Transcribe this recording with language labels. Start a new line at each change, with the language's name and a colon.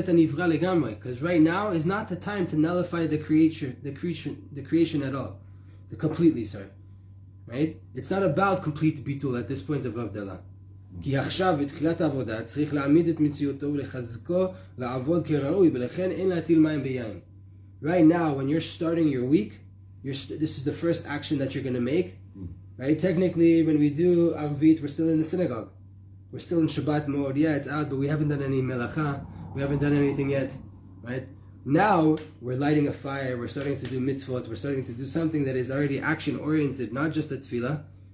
English: Because right now is not the time to nullify the creation at all. Right? It's not about complete bitul at this point of Avdalah.
Hebrew: כי עכשיו בתחילת העבודה צריך להעמיד את מציאותו ולחזקו לעבוד כראוי ולכן אין להטיל מים ביין.
English: Right now, when you're starting your week, this is the first action that you're going to make. Right? Technically, when we do Arvit, we're still in the synagogue. We're still in Shabbat mode. Yeah, it's out, but we haven't done any melacha. We haven't done anything yet. Right? Now, we're lighting a fire. We're starting to do mitzvot. We're starting to do something that is already action-oriented, not just the tefillah.